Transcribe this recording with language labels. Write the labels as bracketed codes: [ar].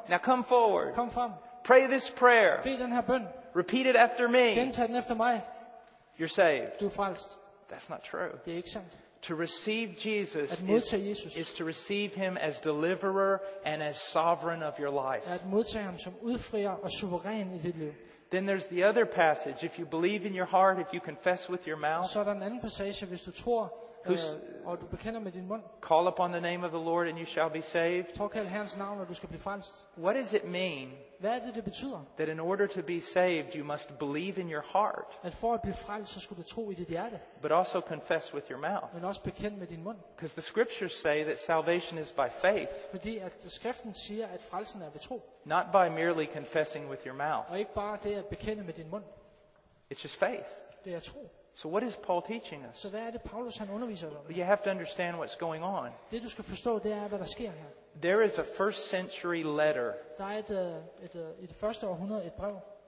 [en] Now come forward. [da] Kom frem. [en] Pray this prayer. [da] Bed den her bøn. [en] Repeat it after me. [da] Gentag den efter mig. [en] You're saved. [da] Du er frelst. [en] That's not true. [da] Det er ikke sandt. [en] To receive Jesus, [da] at modtage Jesus [en] is to receive him as deliverer and as sovereign of your life. [da] At modtage ham som udfrier og suveræn i dit liv. [en] Then there's the other passage. If you believe in your heart, if you confess with your mouth. [da] Så er der en anden passage, hvis du tror og du bekender med din mund. [en] Call upon the name of the Lord and you shall be saved. [da] Påkald Herrens navn, og du skal blive frelst. [en] What does it mean? [da] Hvad er det, det betyder? [en] That in order to be saved, you must believe in your heart. [da] At for at blive frelst, så skulle du tro i dit hjerte. [en] But also confess with your mouth. [da] Men også bekende med din mund. [en] Because the scriptures say that salvation is by faith. [da] Fordi at skriften siger, at frelsen er ved tro. [en] Not by merely confessing with your mouth. [da] Og ikke bare det at bekende med din mund. [en] It's just faith. [da] Det er tro. [en] So what is Paul teaching us? [da] Så hvad er det Paulus han underviser dig [en] om? You have to understand what's going on. [da] Det du skal forstå, det er hvad der sker her. [en] There is a first century letter. [da] Der er et første århundrede et brev.